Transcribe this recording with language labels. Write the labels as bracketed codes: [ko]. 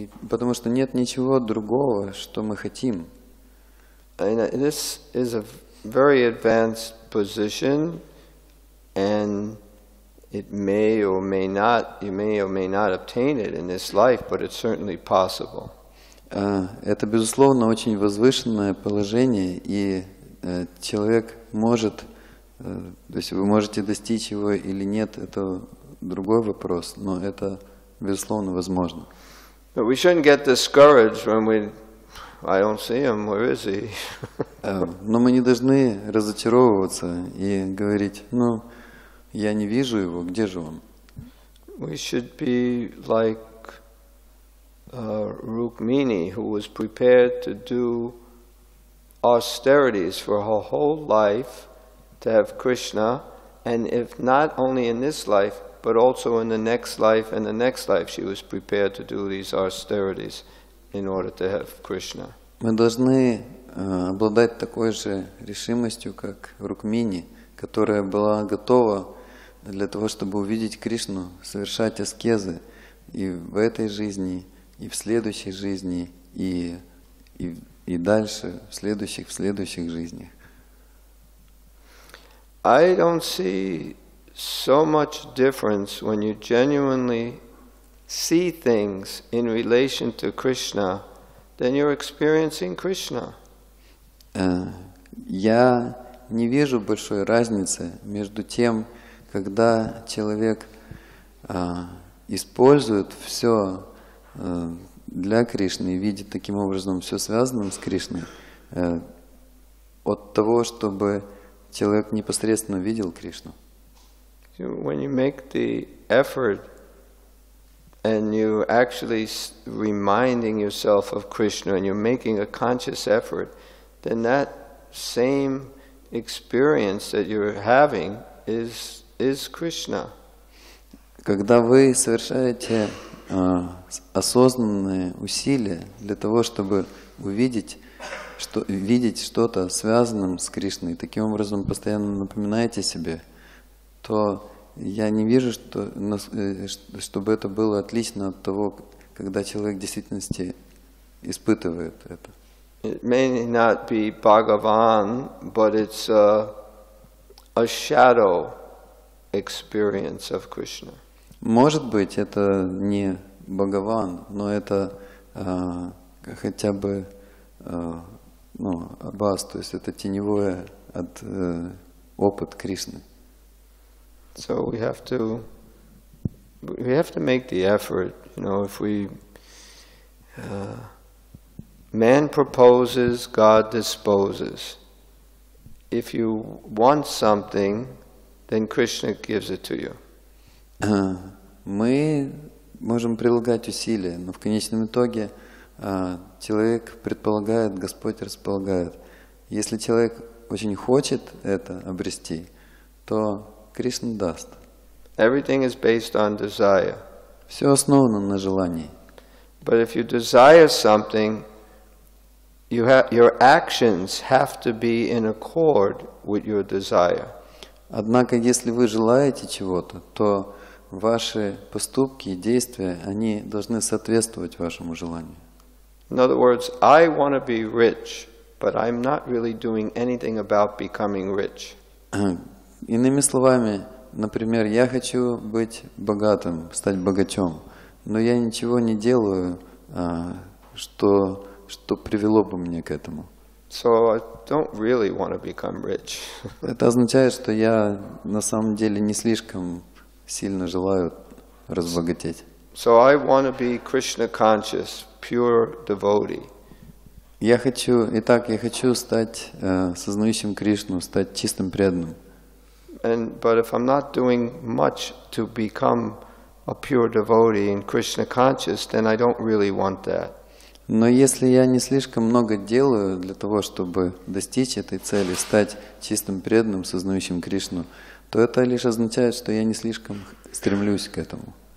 [ru] Потому что нет ничего другого, что мы хотим. [en] This is a very advanced position, and it may or may not, you may or may not obtain it in this life, but it's certainly possible. [ru] Это безусловно очень возвышенное положение, и человек может, то есть вы можете достичь его или нет, это другой вопрос, но это безусловно возможно. [en] But we shouldn't get discouraged when we, I don't see him, where is he? [ru] Но мы не должны разочаровываться и говорить, ну, я не вижу его, где же он? [en] We should be like Rukmini, who was prepared to do austerities for her whole life to have Krishna, and if not only in this life, but also in the next life and the next life, she was prepared to do these austerities in order to have Krishna. [ru] Мы должны обладать такой же решимостью, как Рукмини, которая была готова для того, чтобы увидеть Кришну, совершать аскезы и в этой жизни, и в следующей жизни, и дальше, в следующих жизнях. [en] I don't see so much difference when you genuinely see things in relation to Krishna, then you're experiencing Krishna. [ru] Я не вижу большой разницы между тем, когда человек использует все для Кришны и видит таким образом все связанным с Кришной, от того, чтобы человек непосредственно видел Кришну. [en] When you make the effort and you actually reminding yourself of Krishna and you're making a conscious effort, then that same experience that you're having is Krishna. [ru] Когда вы совершаете осознанные усилия для того, чтобы видеть что-то связанным с Кришной, таким образом постоянно напоминаете себе, то я не вижу, чтобы это было отлично от того, когда человек в действительности испытывает это. [en] It may not be Bhagavan, but it's a shadow experience of Krishna. [ru] Может быть, это не Бхагаван, но это хотя бы Аббас, то есть это теневое от опыт Кришны. [en] So we have to make the effort. You know, if we man proposes, God disposes. If you want something, then Krishna gives it to you. [ru] Мы можем прилагать усилия, но в конечном итоге человек предполагает, Господь располагает. Если человек очень хочет это обрести, то Кришна даст. [en] Everything is based on desire. [ru] Все основано на желании. [en] But if you desire something, your actions have to be in accord with your desire. [ru] Однако, если вы желаете чего-то, то ваши поступки и действия, они должны соответствовать вашему желанию. [en] In other words, I want to be rich, but I'm not really doing anything about becoming rich. [ru] Иными словами, например, я хочу быть богатым, стать богачом, но я ничего не делаю, что привело бы меня к этому. [en] So I don't really want to become rich. [ru] Это означает, что я на самом деле не слишком сильно желаю разбогатеть. [en] So I want to be Krishna conscious, pure devotee. [ru] Я хочу стать сознающим Кришну, стать чистым преданным. [en] And but if I'm not doing much to become a pure devotee and Krishna conscious, then I don't really want that. [ru] Но если я не слишком много делаю для того, чтобы достичь этой цели, стать чистым преданным, сознающим Кришну, то это лишь означает, что я не слишком стремлюсь к этому.